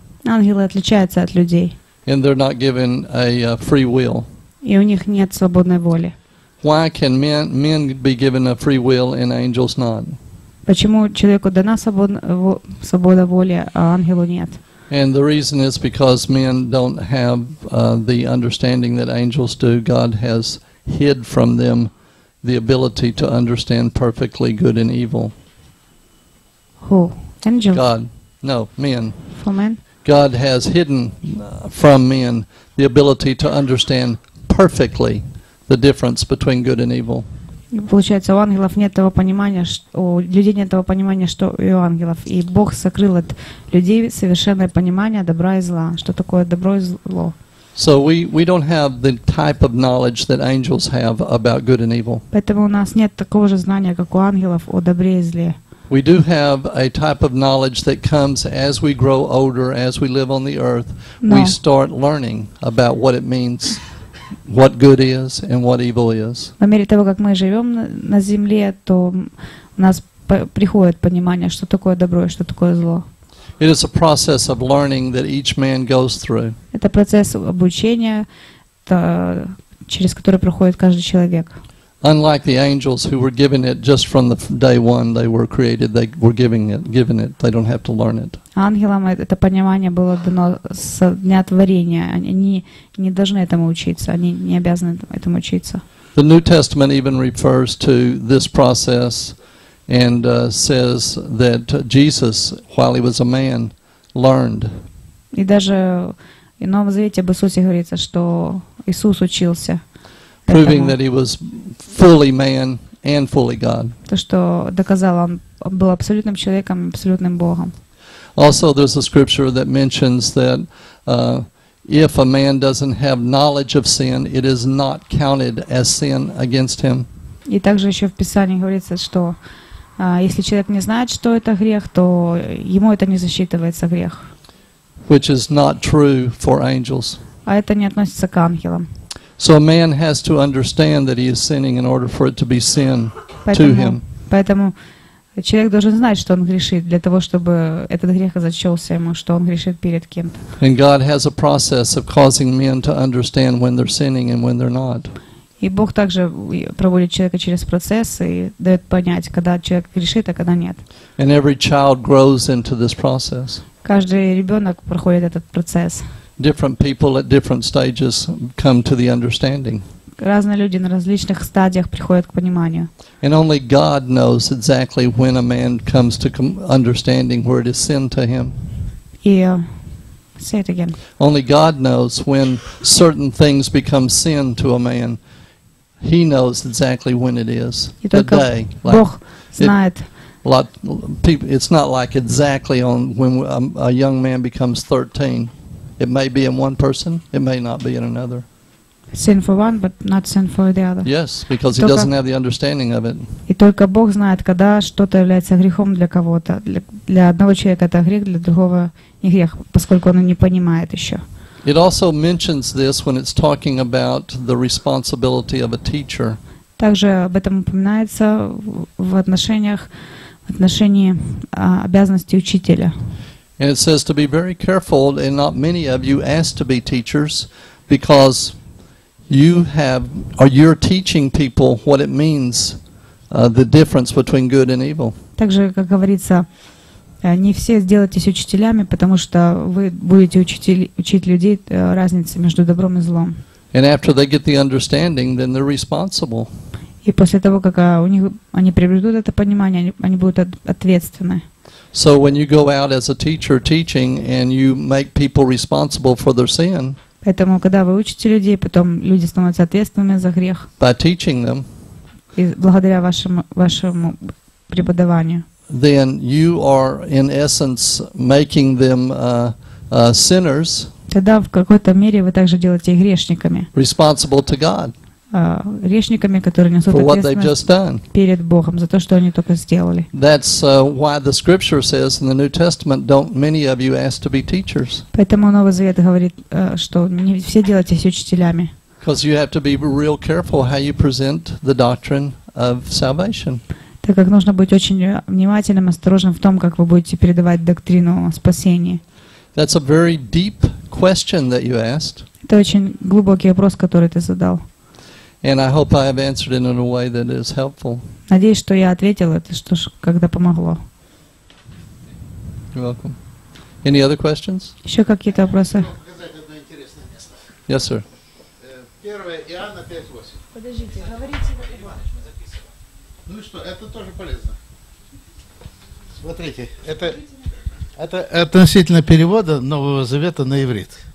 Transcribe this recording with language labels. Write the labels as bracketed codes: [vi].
[ru] Ангелы отличаются от людей. [en] And they're not given a free will. [ru] И у них нет свободной воли. [en] Why can men be given a free will and angels not? [ru] Почему человеку дана свобода воли, а ангелу нет? [en] And the reason is because men don't have the understanding that angels do. God has hid from them the ability to understand perfectly good and evil. Who? Angels? God. No, men. For men? God has hidden from men the ability to understand perfectly the difference between good and evil. [ru] Получается, у ангелов нет того понимания, у людей нет того понимания, что и у ангелов. И Бог сокрыл от людей совершенное понимание добра и зла, что такое добро и зло. [en] So we don't have the type of knowledge that angels have about good and evil. [ru] Поэтому у нас нет такого же знания, как у ангелов, о добре и зле. [en] We do have a type of knowledge that comes as we grow older, as we live on the earth. [ru] Но [en] we start learning about what it means, what good is and what evil is. [ru] По мере того, как мы живем на земле, то у нас приходит понимание, что такое добро и что такое зло. [en] It is a process of learning that each man goes through. [ru] Это процесс обучения, через который проходит каждый человек. [en] Unlike the angels who were given it just from the day one they were created, they were given it. They don't have to learn it. [ru] Ангелам это понимание было дано с дня творения. Они не должны этому учиться. Они не обязаны этому учиться. [en] The New Testament even refers to this process and says that Jesus, while he was a man, learned. [ru] И даже в Новом Завете об Иисусе говорится, что Иисус учился. [en] Proving that he was fully man and fully God. [ru] То, что доказал, он был абсолютным человеком, абсолютным Богом. [en] Also, there's a scripture that mentions that if a man doesn't have knowledge of sin, it is not counted as sin against him. [ru] И также еще в Писании говорится, что если человек не знает, что это грех, то ему это не засчитывается грех. [en] Which is not true for angels. [ru] А это не относится к ангелам. [en] So a man has to understand that he is sinning in order for it to be sin to him. [ru] Поэтому человек должен знать, что он грешит, для того, чтобы этот грех зачелся ему, что он грешит перед кем-то. [en] And God has a process of causing men to understand when they're sinning and when they're not. [ru] И Бог также проводит человека через процесс и дает понять, когда человек грешит, а когда нет. [en] And every child grows into this process. [ru] Каждый ребенок проходит этот процесс. [en] Different people at different stages come to the understanding. [ru] Разные люди на различных стадиях приходят к пониманию. [en] And only God knows exactly when a man comes to understanding where it is sin to him. Yeah. Say it again. Only God knows when certain things become sin to a man. He knows exactly when it is. The day. [ru] Бог знает. [en] It's not like exactly on when a young man becomes 13. It may be in one person, it may not be in another. Sin for one, but not sin for the other. Yes, because he doesn't have the understanding of it. [ru] И только Бог знает, когда что-то является грехом для кого-то. Для одного человека это грех, для другого не грех, поскольку он не понимает еще. [en] It also mentions this when it's talking about the responsibility of a teacher. [ru] Также об этом упоминается в отношении обязанности учителя. [en] And it says to be very careful, and not many of you ask to be teachers, because you're teaching people what it means, the difference between good and evil. [ru] Также, как говорится, не все сделаетесь учителями, потому что вы будете учить людей разницы между добром и злом. [en] And after they get the understanding, then they're responsible. [ru] И после того, как они приобретут это понимание, они будут ответственны. [en] So when you go out as a teacher teaching and you make people responsible for their sin, [ru] поэтому когда вы учите людей, потом люди становятся ответственными за грех. [en] By teaching them, [ru] и благодаря вашему преподаванию, [en] then you are in essence making them sinners. [ru] Тогда в какой-то мере вы также делаете их грешниками. [en] Responsible to God. [ru] Грешниками, которые несут ответственность перед Богом за то, что они только сделали. [en] That's why the scripture says in the New Testament, don't many of you ask to be teachers. [ru] Поэтому Новый Завет говорит, что не все делайтесь учителями. [en] Because you have to be real careful how you present the doctrine of salvation. [ru] Так как нужно быть очень внимательным, осторожным в том, как вы будете передавать доктрину спасения. [en] That's a very deep question that you asked. [ru] Это очень глубокий вопрос, который ты задал. [en] And I hope I have answered it in a way that is helpful. [ru] Надеюсь, что я ответил это, что ж, когда помогло. [en] You're welcome. Any other questions? [ru] Еще какие-то вопросы? Я хочу показать одно интересное место. [en] Yes, sir. [ru] 1 Иоанна 5:8. Подождите, говорите. Иванович, мы записываем. Ну и что, это тоже полезно. Смотрите, это относительно перевода Нового Завета на иврит.